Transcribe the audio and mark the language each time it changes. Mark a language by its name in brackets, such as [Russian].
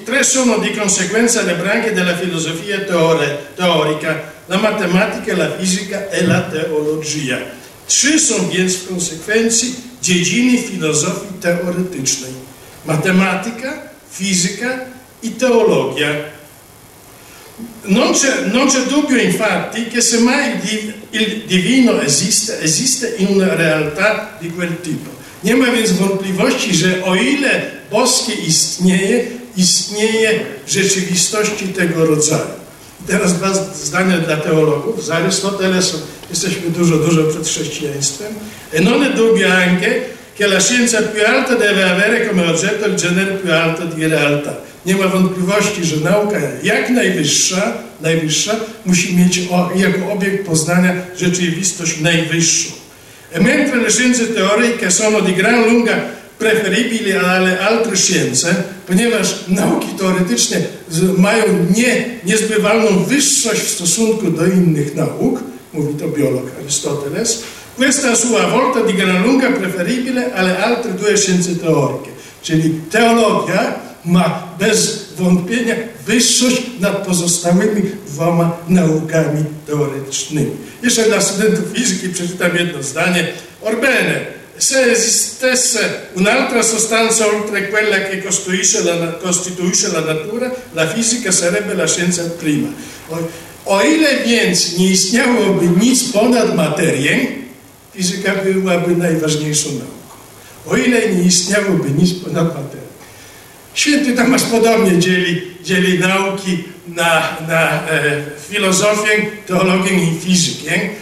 [Italian] Tre sono di conseguenza le branche della filosofia teorica, la matematica, la fizyka e la teologia. [Polish] Trzy są więc w konsekwencji dziedziny filozofii teoretycznej. Matematyka, fizyka i teologia. [Italian] Non c'è dubbio infatti che se mai il divino esiste in una realtà di quel tipo. [Polish] Nie ma więc wątpliwości, że o ile boskie istnieje, istnieje w rzeczywistości tego rodzaju. Teraz dwa zdania dla teologów. Z Arystotelesem jesteśmy dużo, dużo przed chrześcijaństwem. [Italian] E non è dubbio anche che la scienza più alta deve avere come oggetto il genere più alto di realtà. [Polish] Nie ma wątpliwości, że nauka jak najwyższa, musi mieć jako obiekt poznania rzeczywistość najwyższą. [Italian] E mentre le scienze teoriche sono di gran lunga preferibili ale altre scienze, [Polish] ponieważ nauki teoretycznie mają niezbywalną wyższość w stosunku do innych nauk, mówi to biolog Arystoteles, [Italian] questa sua volta di gran lunga preferibile alle altre due scienze teoriche. [Polish] Czyli teologia ma bez wątpienia wyższość nad pozostałymi dwoma naukami teoretycznymi. Jeszcze dla studentów fizyki przeczytam jedno zdanie. [Italian] Orbene, se esistesse un'altra sostanza oltre quella che costituisce la natura, la fisica sarebbe la scienza prima. [Polish] O ile więc nie istniałoby nic ponad materię, fizyka byłaby najważniejszą nauką. O ile nie istniałoby nic ponad materię. Święty Tomasz podobnie dzieli nauki na filozofię, teologię i fizykę.